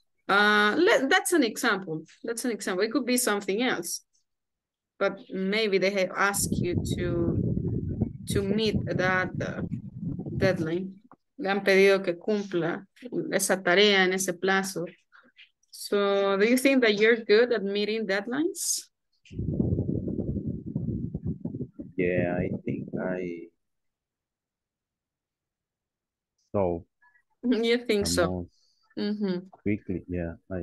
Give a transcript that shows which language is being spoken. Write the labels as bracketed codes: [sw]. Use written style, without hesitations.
[en] That's an example. It could be something else, but maybe they have asked you to meet that deadline. [es] Le han pedido que cumpla esa tarea en ese plazo. [en] So do you think that you're good at meeting deadlines? Yeah, I think I so. You think so? Mm-hmm. Quickly, yeah.